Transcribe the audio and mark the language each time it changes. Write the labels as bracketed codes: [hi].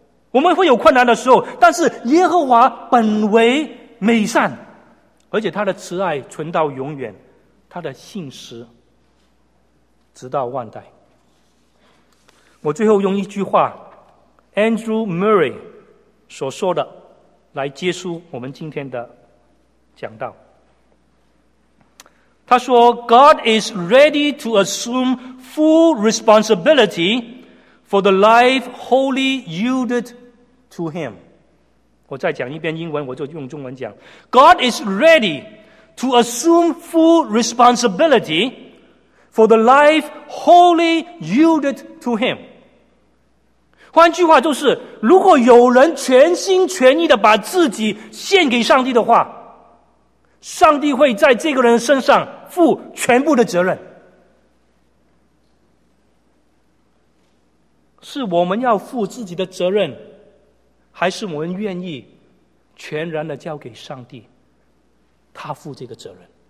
[zh] 我们会有困难的时候，但是耶和华本为美善，而且他的慈爱存到永远，他的信实直到万代。我最后用一句话 Andrew Murray 所说的来结束我们今天的讲道。他说 [en] God is ready to assume full responsibility for the life wholly yielded to him. [zh] 我再讲一遍英文，我就用中文讲。 [en] God is ready to assume full responsibility for the life wholly yielded to him. [zh] 换句话就是，如果有人全心全意地把自己献给上帝的话，上帝会在这个人身上负全部的责任。是我们要负自己的责任，还是我们愿意全然地交给上帝，他负这个责任？